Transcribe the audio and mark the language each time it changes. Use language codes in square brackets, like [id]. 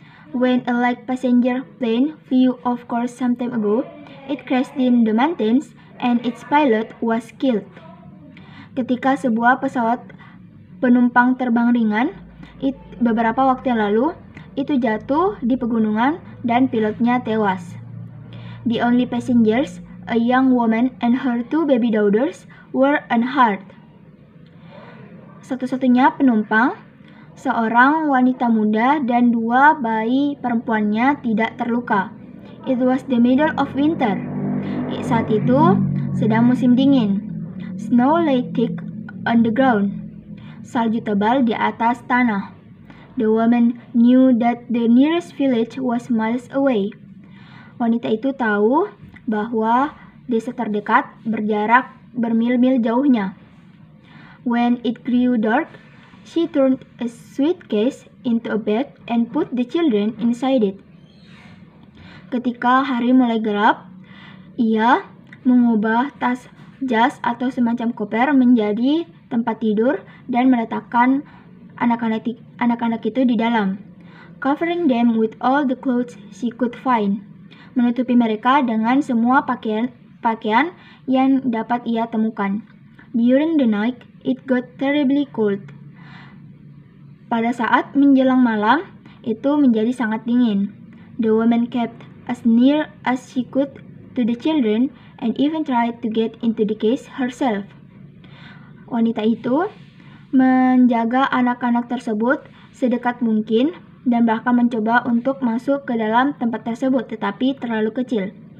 [en] When a light passenger plane flew off course some time ago, it crashed in the mountains and its pilot was killed. [id] Ketika sebuah pesawat penumpang terbang ringan, beberapa waktu yang lalu, itu jatuh di pegunungan dan pilotnya tewas. [en] The only passengers, a young woman and her two baby daughters, were unhurt. [id] Satu-satunya penumpang, seorang wanita muda dan dua bayi perempuannya tidak terluka. [en] It was the middle of winter. [id] Saat itu, sedang musim dingin. [en] Snow lay thick on the ground. [id] Salju tebal di atas tanah. [en] The woman knew that the nearest village was miles away. [id] Wanita itu tahu bahwa desa terdekat berjarak bermil-mil jauhnya. [en] When it grew dark, she turned a suitcase into a bed and put the children inside it. [id] Ketika hari mulai gelap, ia mengubah tas jas atau semacam koper menjadi tempat tidur dan meletakkan anak-anak itu di dalam, [en] covering them with all the clothes she could find, [id] menutupi mereka dengan semua pakaian yang dapat ia temukan. [en] During the night, it got terribly cold. [id] Pada saat menjelang malam, itu menjadi sangat dingin. [en] The woman kept as near as she could to the children and even tried to get into the case herself. [id] Wanita itu menjaga anak-anak tersebut sedekat mungkin dan bahkan mencoba untuk masuk ke dalam tempat tersebut, tetapi terlalu kecil.